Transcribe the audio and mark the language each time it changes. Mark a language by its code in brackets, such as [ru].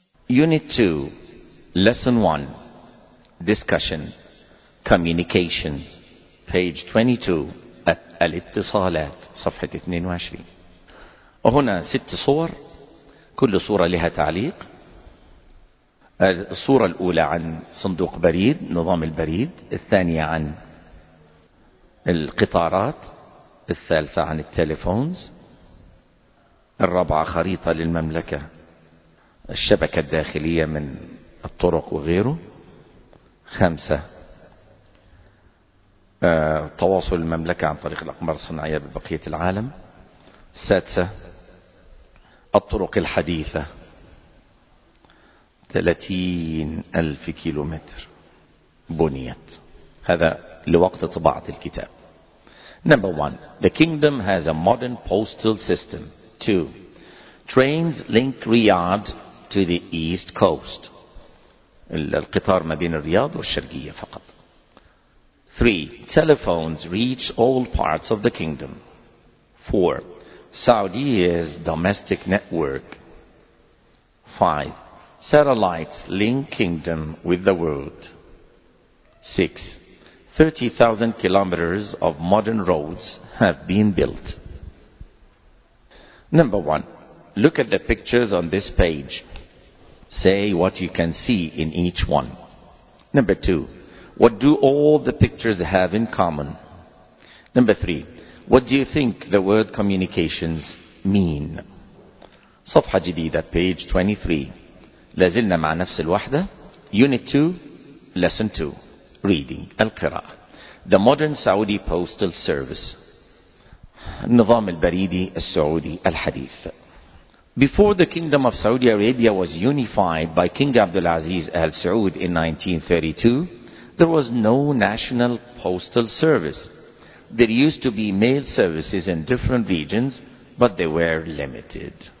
[en] Unit 2, Lesson 1, Discussion, Communications, page 22, at [ar] الاتصالات, صفحة 22. وهنا ست صور, كل صورة لها تعليق. الصورة الأولى عن صندوق بريد, نظام البريد, الثانية عن القطارات, الثالثة عن التليفونز, الرابعة خريطة للمملكة, الشبكة الداخلية من الطرق وغيره, خمسة تواصل المملكة عن طريق الأقمار الصناعية ببقية العالم, سادسة الطرق الحديثة, 30,000 كيلومتر بنيت. هذا لوقت طباعة الكتاب. [en] Number one, the kingdom has a modern postal system. Two, trains link Riyadh to the east coast. [ar] القطار ما بين الرياض والشرقية فقط. [en] Three, telephones reach all parts of the kingdom. Four, Saudi's domestic network. Five, satellites link kingdom with the world. Six, 30,000 kilometers of modern roads have been built. Number one, look at the pictures on this page. Say what you can see in each one. Number two, what do all the pictures have in common? Number three, what do you think the word communications mean? [ar] صفحة جديدة, [en] page 23. [ar] لازلنا مع نفس الوحدة. [en] Unit 2, Lesson 2. Reading, القراءة. The modern Saudi postal service. [ar] النظام البريدي السعودي الحديث. [en] Before the Kingdom of Saudi Arabia was unified by King Abdulaziz Al Saud in 1932, there was no national postal service. There used to be mail services in different regions, but they were limited.